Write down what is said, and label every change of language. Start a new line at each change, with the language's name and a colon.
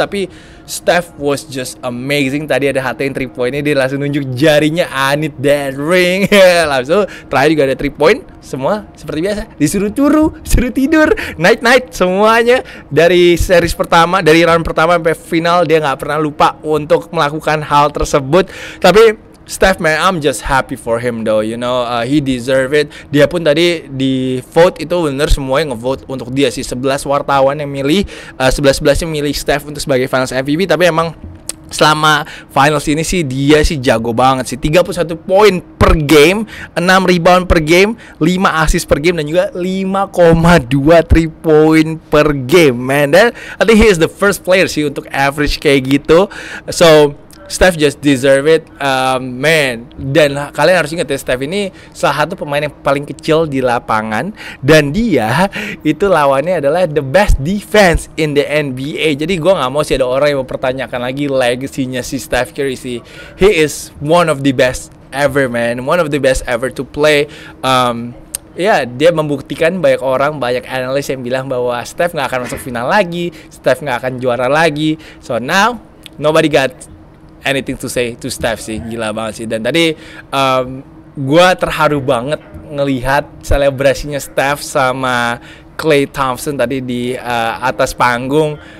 Indonesian: Tapi Steph was just amazing. Tadi ada HT yang 3 poinnya, dia langsung nunjuk jarinya, I need that ring. Langsung terakhir juga ada 3 poin. Semua seperti biasa, disuruh turu, disuruh tidur, night-night semuanya. Dari series pertama, dari round pertama sampai final, dia gak pernah lupa untuk melakukan hal tersebut.
English: Tapi Steph, man, I'm just happy for him though, you know, he deserve it.
Indonesian: Dia pun tadi di vote itu bener semuanya ngevote untuk dia sih. 11 wartawan yang milih, 11-11 yang milih Steph untuk sebagai Finals MVP. Tapi emang selama Finals ini sih dia sih jago banget sih. 31 poin per game, 6 rebound per game, 5 assist per game, dan juga 5,2 3 point per game, man.
English: Dan I think he is the first player sih untuk average kayak gitu. So Steph just deserve it, man.
Indonesian: Dan kalian harus ingat ya, Steph ini salah satu pemain yang paling kecil di lapangan. Dan dia itu lawannya adalah the best defense in the NBA. Jadi gue gak mau sih ada orang yang mempertanyakan lagi legasinya si Steph Curry sih.
English: He is one of the best ever, man. One of the best ever to play.
Indonesian: Ya, dia membuktikan banyak orang, banyak analis yang bilang bahwa Steph gak akan masuk final lagi, Steph gak akan juara lagi.
English: So now, nobody got anything to say to Steph sih, gila banget sih.
Indonesian: Dan tadi gue terharu banget ngelihat selebrasinya Steph sama Klay Thompson tadi di atas panggung.